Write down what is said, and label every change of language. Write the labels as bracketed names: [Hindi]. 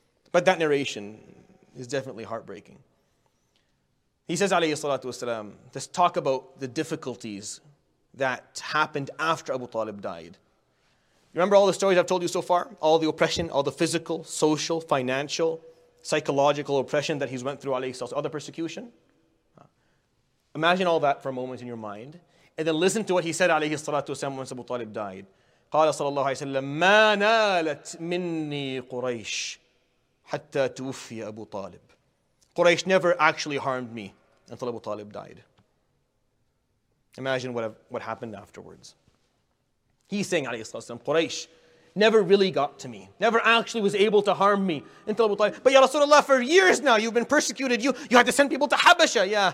[English] But that narration is definitely heartbreaking. He says, alayhi salatu wasalam, let's talk about the difficulties that happened after Abu Talib died. Remember all the stories I've told you so far? All the oppression, all the physical, social, financial, psychological oppression that he's went through, alayhi salam, all the persecution? Imagine all that for a moment in your mind, and then listen to what he said, alayhi salatu wasalam, once Abu Talib died. [Arabic] قال صلى الله عليه وسلم ما نالت مني قريش حتى توفي أبو طالب. [English] Quraysh never actually harmed me until Abu Talib died. Imagine what happened afterwards. He's saying, [Arabic] عليه الصلاة والسلام, [English] Quraysh never really got to me, never actually was able to harm me until Abu Talib. But ya Rasulullah, for years now you've been persecuted. You had to send people to Habasha.